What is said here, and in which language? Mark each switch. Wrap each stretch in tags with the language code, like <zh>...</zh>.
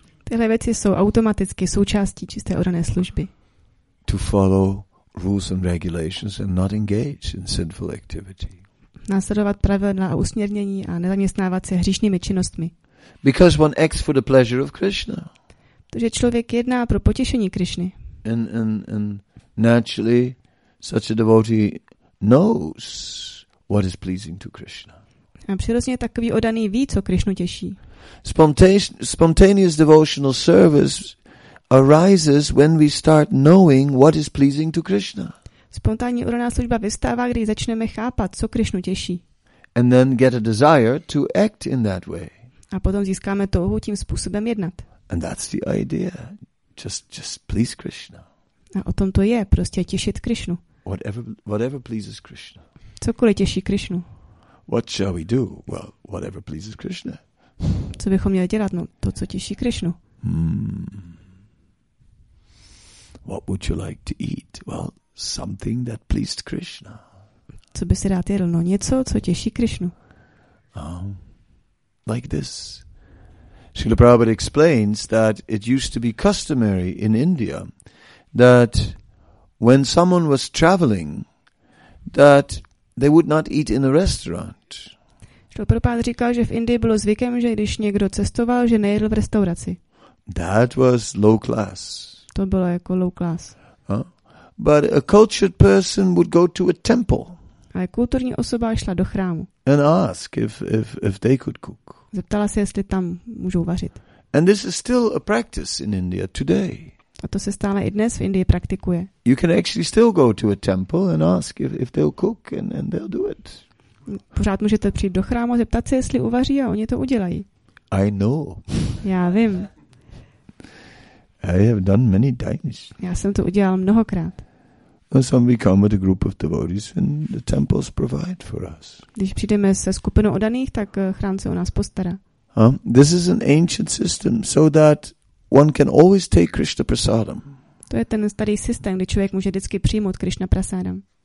<cs>Tyhle věci jsou automaticky součástí čisté orané služby.</cs> <en>To follow rules and regulations and not engage in sinful activity.</en> <cs>Následovat pravidla a usměrnění a nezaměstnávat se hříšnými činnostmi.</cs> <en>Because one acts for the pleasure of Krishna.</en> <cs>Protože člověk jedná pro potěšení Krišny.</cs> <en>And naturally, such a devotee knows what is pleasing to Krishna.</en> <cs>A přirozeně takový oddaný ví, co Krishnu těší.</cs> <en>Spontaneous devotional service arises when we start knowing what is pleasing to Krishna.</en> <cs>Spontánní oddaná služba vystává, když začneme chápat, co Krishnu těší.</cs> <en>And then get a desire to act in that way.</en> <cs>A potom získáme touhu tím způsobem jednat.</cs> <en>And that's the idea. Just please Krishna.</en> <cs>A o tom to je, prostě těšit Krishnu.</cs> <en>Whatever pleases Krishna.</en> <cs>Cokoliv těší Krishnu.</cs> <en>What shall we do? Well, whatever pleases Krishna.</en> <cs>Co bychom měli dělat? No, to, co těší Krishnu.</cs> <en>What would you like to eat? Well, something that pleased Krishna.</en> <cs>Co by si rád jedl? No, něco, co těší Krishnu.</cs> <en>Like this. Srila Prabhupada explains that it used to be customary in India that when someone was traveling, that they would not eat in a restaurant.</en> <cs>Srila Prabhupada říkal, že v Indii bylo zvykem, že když někdo cestoval, že nejedl v restauraci.</cs> <en>That was low class.</en> <cs>To bylo jako</cs> <en>low class. But a cultured person would go to a temple.</en> <cs>Ale kulturní osoba šla do chrámu.</cs> <en>And ask if they could cook.</en> <cs>Zeptala se, jestli tam můžou vařit.</cs> <en>And this is still a practice in India today.</en> <cs>A to se stále i dnes v Indii praktikuje.</cs> <en>You can actually still go to a temple and ask if they'll cook and they'll do it.</en> <cs>Pořád můžete přijít do chrámu, zeptat se, jestli uvaří a oni to udělají.</cs> <en>I know.</en> <cs>Já vím.</cs> <en>I have done many times.</en> <cs>Já jsem to udělal mnohokrát.</cs> <en>Some we come with a group of devotees and the temples provide for us.</en> <cs>Když přijdeme se skupinou oddaných, tak chrám se o nás postará.</cs> <en>This is an ancient system so that one can always take Krishna prasadam.</en> <cs>To je ten starý systém, kdy člověk může vždycky přijmout Krishna prasadam.</cs>